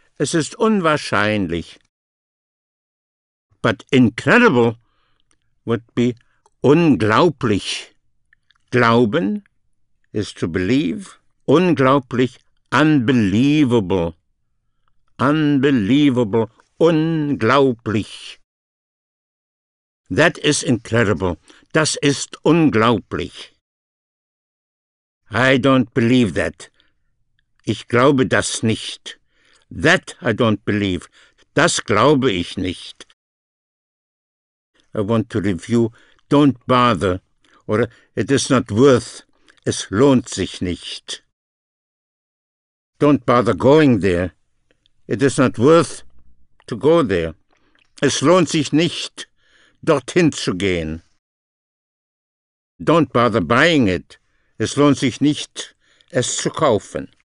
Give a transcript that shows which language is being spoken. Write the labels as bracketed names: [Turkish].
[German] Es ist unwahrscheinlich. [English] But incredible would be unglaublich. Glauben is to believe. Unglaublich, unbelievable. Unbelievable, unglaublich. That is incredible. [German] Das ist unglaublich. [English] I don't believe that. [German] Ich glaube das nicht. [English] That I don't believe. [German] Das glaube ich nicht. [English] I want to review. Don't bother. Or it is not worth. [German] Es lohnt sich nicht. [English] Don't bother going there. It is not worth to go there. [German] Es lohnt sich nicht, dorthin zu gehen. [English] Don't bother buying it. [German] Es lohnt sich nicht, es zu kaufen.